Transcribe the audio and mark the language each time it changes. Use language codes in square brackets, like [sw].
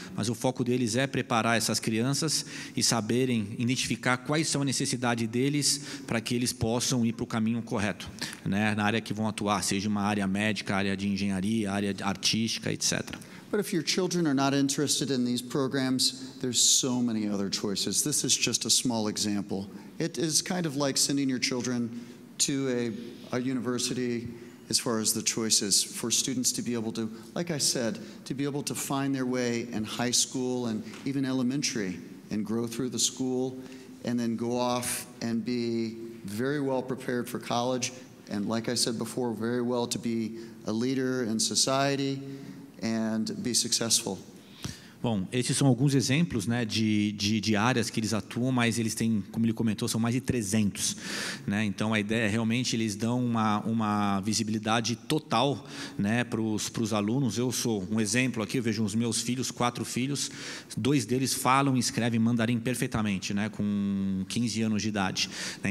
[pt] Mas o foco deles é preparar essas crianças e saberem identificar quais são as necessidades deles para que eles possam ir para o caminho correto, né, na área que vão atuar, seja uma área médica, área de engenharia, área artística, etc. [en] But if your children are not interested in these programs, there's so many other choices. This is just a small example. It is kind of like sending your children to a university as far as the choices for students to be able to, like I said, to be able to find their way in high school and even elementary and grow through the school and then go off and be very well prepared for college and, like I said before, very well to be a leader in society and be successful. [pt] Bom, esses são alguns exemplos, né, de áreas que eles atuam, mas eles têm, como ele comentou, são mais de 300. Né? Então, a ideia é realmente eles dão uma visibilidade total, né, para os alunos. Eu sou um exemplo aqui, eu vejo os meus filhos, 4 filhos, 2 deles falam, escrevem mandarim perfeitamente, né, com 15 anos de idade. Né?